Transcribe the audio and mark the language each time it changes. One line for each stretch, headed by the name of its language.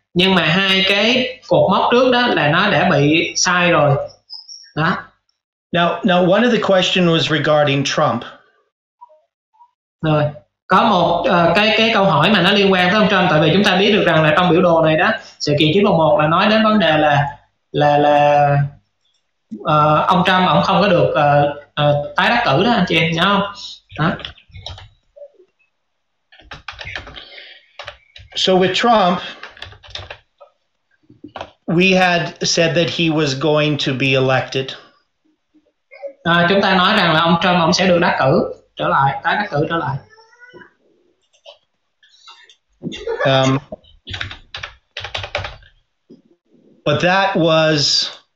Vietnamese: Nhưng mà hai cái cột mốc trước đó là nó đã bị sai rồi. Đó.
English: Now, one of the questions was regarding Trump.
Vietnamese: Rồi, có một cái câu hỏi mà nó liên quan tới ông Trump, tại vì chúng ta biết được rằng là trong biểu đồ này đó, sự kiện 911 là nói đến vấn đề là ông Trump ổng không có được tái đắc cử đó anh chị em nhớ không? Đó.
English: So with Trump, we had said that he was going to be elected.
Vietnamese: Chúng ta nói rằng là ông Trump ông sẽ được đắc cử trở lại, tái đắc cử trở lại.
English: But that was